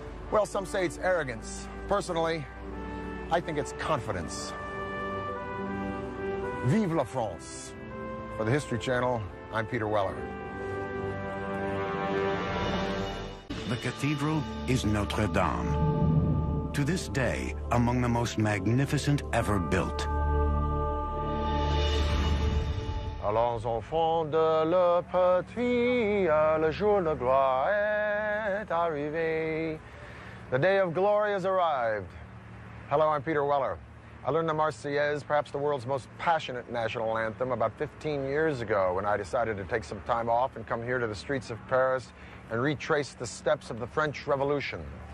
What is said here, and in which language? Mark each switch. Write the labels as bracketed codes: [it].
[en] Well, some say it's arrogance. Personally, I think it's confidence. [fr] Vive la France. [en] For the History Channel, I'm Peter Weller. The cathedral is Notre Dame. To this day, among the most magnificent ever built. [fr] Allons enfants de la patrie, le jour de gloire est arrivé. [en] The day of glory has arrived. Hello, I'm Peter Weller. I learned the Marseillaise, perhaps the world's most passionate national anthem, about 15 years ago when I decided to take some time off and come here to the streets of Paris and retrace the steps of the French Revolution.